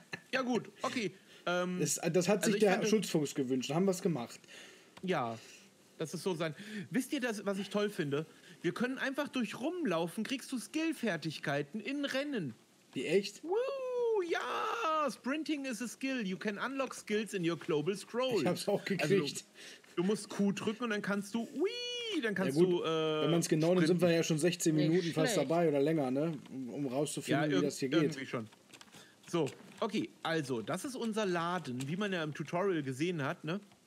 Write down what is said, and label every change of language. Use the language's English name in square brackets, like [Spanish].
[German] Ja gut, okay. Das hat sich also der Schutzfuchs gewünscht, haben wir es gemacht. Ja, das ist so sein. Wisst ihr, was ich toll finde? Wir können einfach durch rumlaufen, kriegst du Skill-Fertigkeiten in Rennen. Wie echt? [English] Woo, ja, Sprinting is a skill. You can unlock skills in your global scroll. [German] Ich hab's auch gekriegt. Also, du musst Q drücken und dann kannst du, wenn man es genau nimmt, sind wir ja schon 16 Minuten fast dabei oder länger, ne? Um rauszufinden, wie das hier geht. Irgendwie schon. So, okay, also, das ist unser Laden, wie man ja im Tutorial gesehen hat, ne?